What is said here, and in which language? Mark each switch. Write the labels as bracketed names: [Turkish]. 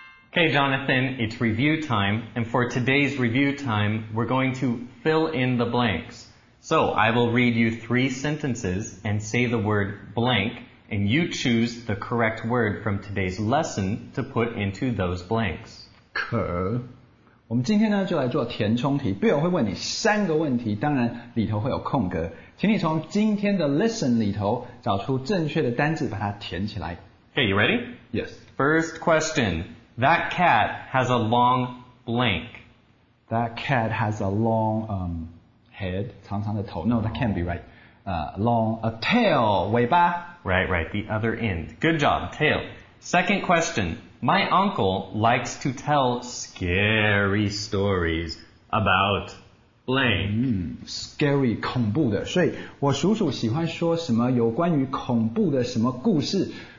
[English] Okay, Jonathan, it's review time, and for today's review time, we're going to fill in the blanks. So, I will read you three sentences and say the word blank, and you choose the correct word from today's lesson to put into those blanks. Cool. [Chinese] 我们今天呢就来做填充题 ，Bill 会问你三个问题，当然里头会有空格，请你从今天的 lesson 里头找出正确的单字，把它填起来。 [English] Okay, you ready? Yes. First question: That cat has a long blank. That cat has a long head, [Chinese] 长长的头。 [English] No, that can't be right. Long a tail, 尾巴。 Right, right. The other end. Good job, tail. Second question. My uncle likes to tell scary stories about blank. [Chinese] Scary, 恐怖的。所以我叔叔喜欢说什么有关于恐怖的什么故事。